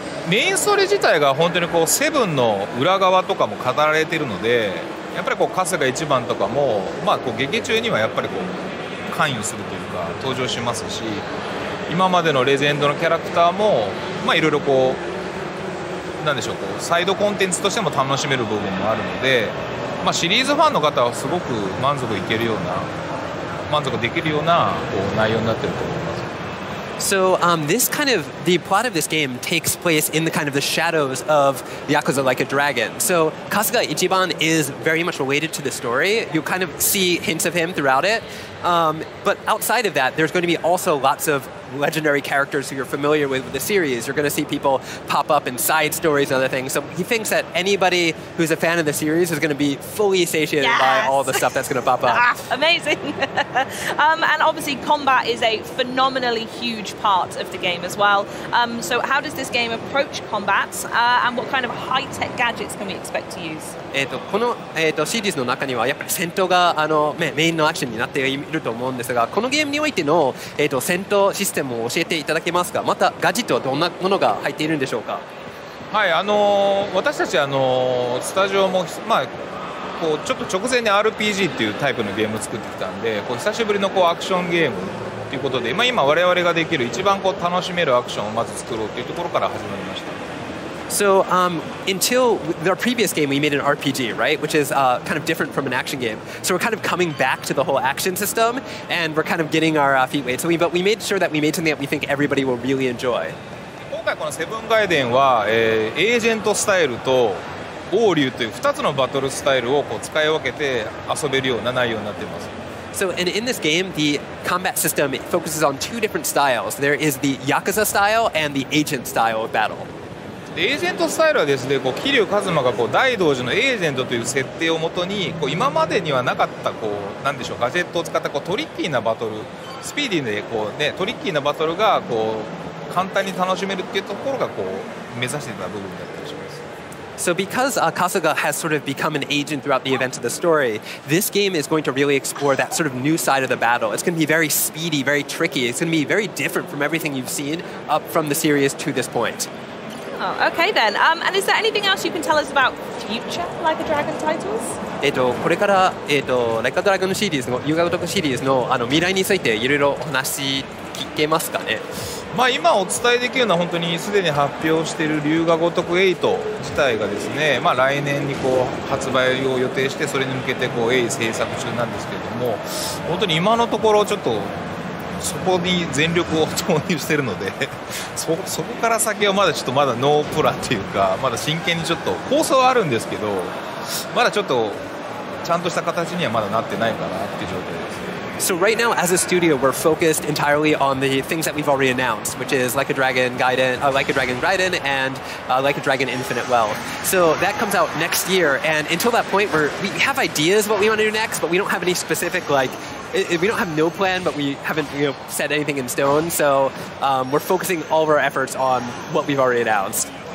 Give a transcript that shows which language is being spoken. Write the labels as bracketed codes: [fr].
[ja] メインストーリー自体が本当にこうセブンの裏側とかも語られているので、やっぱりこう春日一番とかも、まあ、こう劇中にはやっぱりこう関与するというか登場しますし、今までのレジェンドのキャラクターもいろいろこう何でしょう、こうサイドコンテンツとしても楽しめる部分もあるので、まあ、シリーズファンの方はすごく満足できるようなこう内容になっていると思います。 [en] So this kind of, the plot of this game takes place in the kind of the shadows of Yakuza Like a Dragon. So Kasuga Ichiban is very much related to the story. You kind of see hints of him throughout it. But outside of that, there's going to be also lots of legendary characters who you're familiar with the series. You're going to see people pop up in side stories and other things. So he thinks that anybody who's a fan of the series is going to be fully satiated yes! by all the stuff that's going to pop up. Amazing! and obviously combat is a phenomenally huge part of the game as well. So how does this game approach combat? And what kind of high-tech gadgets can we expect to use? [ja] このシリーズの中にはやっぱり戦闘がメインのアクションになっていると思うんですが、このゲームにおいての戦闘システムを教えていただけますか。またガジットはどんなものが入っているんでしょうか。はい、私たちスタジオも、まあ、こうちょっと直前に RPG っていうタイプのゲームを作ってきたんで、こう久しぶりのこうアクションゲームということで、まあ、今我々ができる一番こう楽しめるアクションをまず作ろうというところから始まりました。 [en] So, until our previous game, we made an RPG, right? Which is kind of different from an action game. So we're kind of coming back to the whole action system, and we're kind of getting our feet wet. But we made sure that we made something that we think everybody will really enjoy. [ja] 今回このセブンガイデンは、エージェントスタイルと王竜という2つのバトルスタイルをこう使い分けて遊べるような内容になっています。 [en] So, and in this game, the combat system focuses on two different styles. There is the Yakuza style and the agent style of battle. [ja] エージェントスタイルはですね、こう桐生一馬がこう大道寺のエージェントという設定をもとに、こう今までにはなかったこう何でしょう、ガジェットを使ったこうトリッキーなバトル、スピーディーでこう、ね、トリッキーなバトルがこう簡単に楽しめるっていうところがこう目指していた部分だったりします。 [en] So because Kasuga has sort of become an agent throughout the events of the story, this game is going to really explore that sort of new side of the battle. It's going to be very speedy, very tricky. It's going to be very different from everything you've seen up from the series to this point. Oh, okay then. And is there anything else you can tell us about future Like a Dragon titles? [ja] これから、Like a Dragon シリーズの、ユガウトクシリーズの、未来についていろいろお話聞けますかね。まあ、今お伝えできるのは本当にすでに発表している龍が如く8自体がですね、まあ、来年にこう発売を予定してそれに向けてこう鋭意制作中なんですけれども、本当に今のところちょっとそこに全力を投入しているので そこから先はまだちょっとまだノープランというか、まだ真剣にちょっと構想はあるんですけど、まだちょっとちゃんとした形にはまだなってないかなっていう状況です。 [en] So right now, as a studio, we're focused entirely on the things that we've already announced, which is Like a Dragon Gaiden, Like a Dragon Gaiden, and Like a Dragon Infinite Wealth. So that comes out next year, and until that point, we have ideas what we want to do next, but we don't have any specific, like, we don't have no plan, but we haven't, you know, set anything in stone, so we're focusing all of our efforts on what we've already announced.